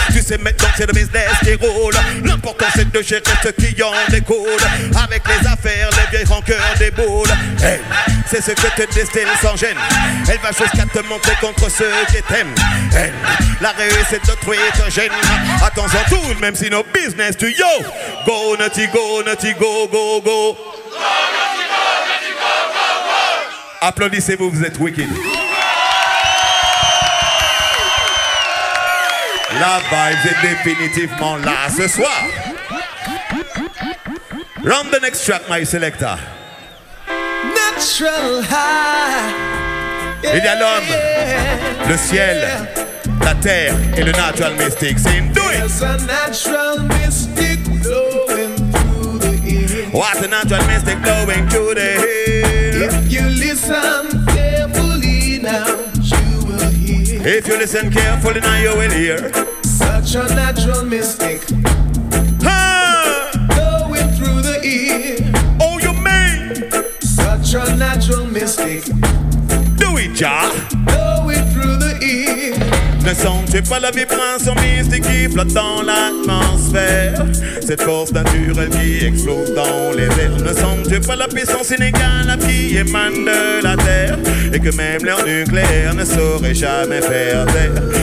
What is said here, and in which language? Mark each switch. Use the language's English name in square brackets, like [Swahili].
[French] Tu sais maintenant c'est le business qui roule. L'important c'est de gérer ce qui en découle. Avec les affaires, les vieilles rancœurs des boules. Haine, c'est ce que te destine sans gêne. Elle va jusqu'à te monter contre ceux qui t'aiment. Haine, la réussite d'autrui te gêne. Attends en tout, même si nos business tu yo. [English] Go nutty, go nutty, go, go, go. Go nutty, go nutty, go, go, go. [French] Applaudissez-vous, vous êtes wicked. La vibe est définitivement là ce soir. [English] Run the next track, my selector. Natural high. [French] Il y a l'homme, le ciel, la terre et le natural mystic. [English] Sing, do it. There's a natural mystic blowing through the air. What's a natural mystic blowing through the air? If you listen carefully now, you will hear. If you listen carefully now, you will hear. Such a natural mystic. Ha! Blowing through the air. Oh, you mean? Such a natural mystic. Do it, ja. Blowing through the air. [French] Ne sens-tu pas la vibration mystique qui flotte dans l'atmosphère? Cette force naturelle qui explose dans les airs. Ne sens-tu pas la puissance inégale qui émane de la terre? Et que même l'air nucléaire ne saurait jamais faire taire.